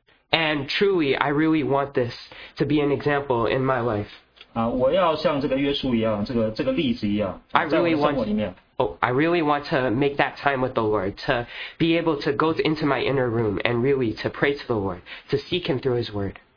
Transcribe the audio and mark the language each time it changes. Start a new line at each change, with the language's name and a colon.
English: And truly, I really want this to be an example in my life.
Chinese: 我要像这个约书一样，这个例子一样。
English: I really want to make that time with the Lord, to be able to go into my inner room and really to pray to the Lord, to seek Him through His Word.